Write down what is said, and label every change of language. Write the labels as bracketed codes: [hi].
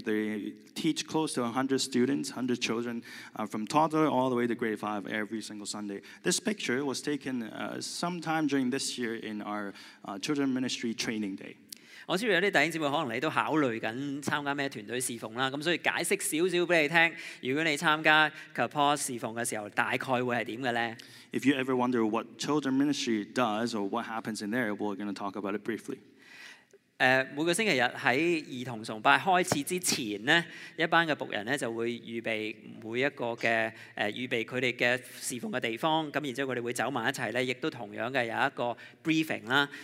[en] They teach close to 100 students, 100 children, from toddler all the way to grade 5 every single Sunday. This picture was taken sometime during this year in our children ministry training day. [yue] 我知道有啲弟兄姊妹可能你都考慮緊參加咩團隊侍奉啦，咁所以解釋少少俾你聽。如果你參加 Kapos 侍奉嘅時候，大概會係點嘅咧 [en] ？If you ever wonder what children ministry does or what happens in there, we're going to talk about it briefly. [yue] 每個星期日喺兒童崇拜開始之前咧，一班嘅仆人咧就會預備每一個嘅預備佢哋嘅侍奉嘅地方，咁然之後佢哋會走埋一齊咧，亦都同樣嘅有一個 briefing 啦。